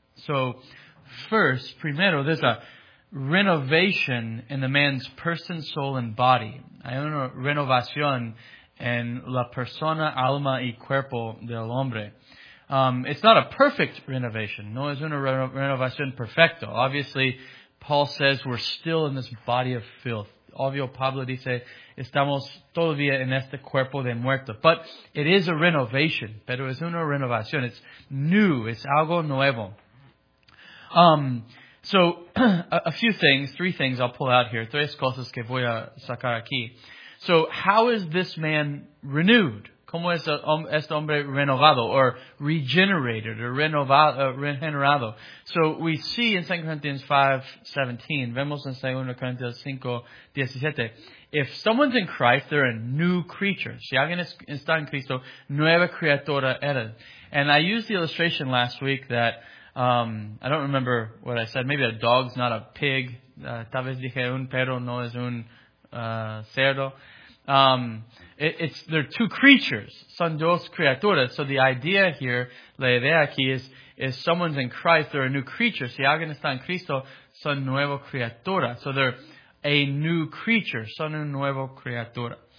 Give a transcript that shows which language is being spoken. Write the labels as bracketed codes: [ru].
[en] So, first, primero, there's a renovation in the man's person, soul, and body. [es] Hay una renovación en la persona, alma, y cuerpo del hombre. [en] It's not a perfect renovation. [es] No es una renovación perfecta. [en] Obviously, Paul says we're still in this body of filth. [es] Obvio, Pablo dice, estamos todavía en este cuerpo de muerto. [en] But it is a renovation. [es] Pero es una renovación. [en] It's new. It's [es] algo nuevo. [en] So, a few things, three things I'll pull out here. [es] Tres cosas que voy a sacar aquí. [en] So, how is this man renewed? [es] ¿Cómo es este hombre renovado? [en] Or regenerated, or regenerado. So we see in 2 Corinthians 5:17, [es] vemos en 2 Corinthians 5:17, [en] if someone's in Christ, they're a new creature. [es] Si alguien está en Cristo, nueva criatura era. [en] And I used the illustration last week that, I don't remember what I said, maybe a dog's not a pig, [es] tal vez dije un perro no es un cerdo. [en] They're two creatures. [es] Son dos criaturas. [en] So the idea here, [es] la idea aquí [en] is, if someone's in Christ, they're a new creature. [es] Si alguien está en Cristo, son nueva criatura. [en] So they're a new creature. [es] Son una nueva criatura.